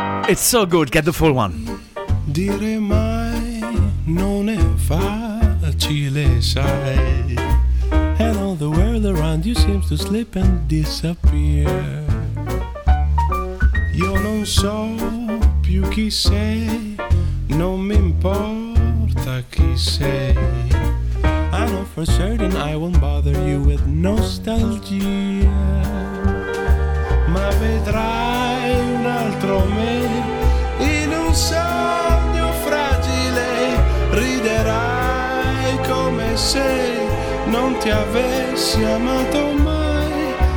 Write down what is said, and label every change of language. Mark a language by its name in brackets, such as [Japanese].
[English] It's so good, get the full one. [Italian] Dire mai non è facile, sai. [English] And all the world around you seems to slip and disappear. [Italian] Io non so più chi sei, non mi importa. Chi sei? [English] I know for certain I won't bother you with nostalgia. [Italian] Ma vedrai un altro me in un sogno fragile. Riderai come se non ti avessi amato mai.